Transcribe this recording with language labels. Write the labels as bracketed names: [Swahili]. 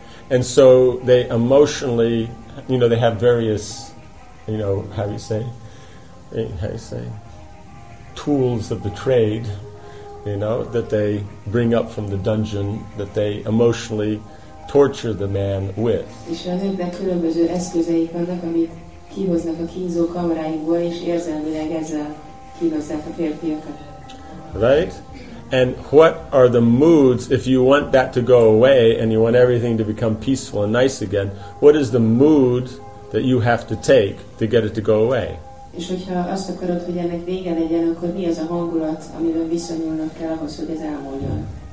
[English] And so they emotionally, you know, they have various, you know, how do you say, tools of the trade, you know, that they bring up from the dungeon that they emotionally torture the man with. [Hungarian] És a nőknek különböző eszközeik vannak, amit kihoznak a kínzó kamaráinkból, és érzelmileg ezzel kínozzák a férfiakat. [English] Right? And what are the moods, if you want that to go away and you want everything to become peaceful and nice again, what is the mood that you have to take to get it to go away? [Hungarian] És hogyha azt akarod, hogy ennek vége legyen, akkor mi az a hangulat, amiben viszonyulnak kell ahhoz, hogy ez elmúljon?